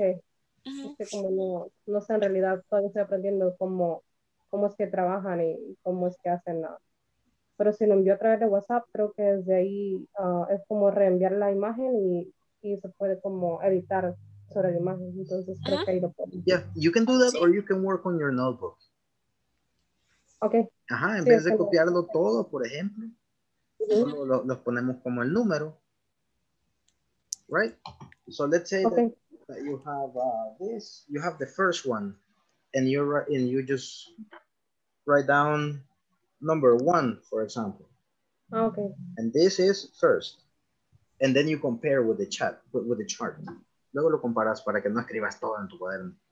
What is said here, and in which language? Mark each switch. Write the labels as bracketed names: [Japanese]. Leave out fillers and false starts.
[Spanish] Es que como no sé en realidad, todavía estoy aprendiendo cómo es que trabajan y cómo es que hacen nada. Pero si lo envió a través de WhatsApp, creo que desde ahí es como reenviar la imagen y se puede como editar sobre la imagen. Entonces creo que ahí lo puedo. [English] Yeah, you can do that or you can work on your notebook. Okay. [Spanish] Ajá, en vez de copiarlo todo, por ejemplo, solo los ponemos como el número. [English] Right? So let's say that you have this, you have the first one, and you just write down number one, for example. Okay. And this is first. And then you compare with the chat, with the chart. [Spanish] Luego lo comparas para que no escribas todo en tu cuaderno.